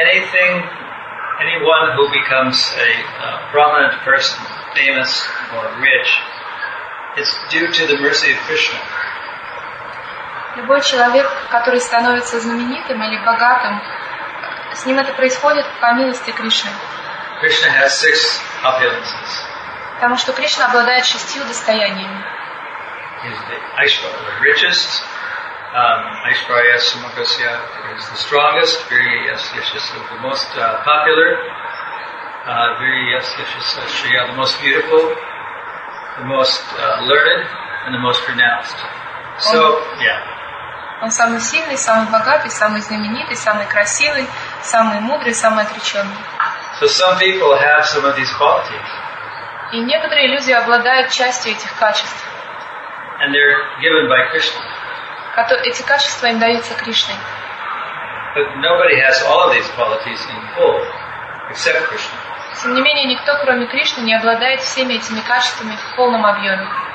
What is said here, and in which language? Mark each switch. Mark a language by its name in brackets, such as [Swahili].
[English] Anyone who becomes a prominent person, famous or rich, it's due to the mercy of Krishna. [Russian] Любой человек, который становится знаменитым или богатым, с ним это происходит по милости Кришны. [English] Krishna has six opulences. [Russian] Потому что Кришна обладает шестью достояниями. [English] He's the Aishwarya, the richest. Aishwarya Sumagasya is the strongest. Viriyasya, the most popular. Viriyasya, Shriya, the most beautiful, the most learned, and the most renowned. So, [Russian] Он самый сильный, самый богатый, самый знаменитый, самый красивый, самый мудрый, самый отреченный. [English] So some people have some of these qualities. [Russian] И некоторые люди обладают частью этих качеств. [English] And they're given by Krishna. [Russian] Эти качества им даются Кришной. [English] But nobody has all of these qualities in full, except Krishna. [Russian] Тем не менее, никто, кроме Кришны, не обладает всеми этими качествами в полном объеме.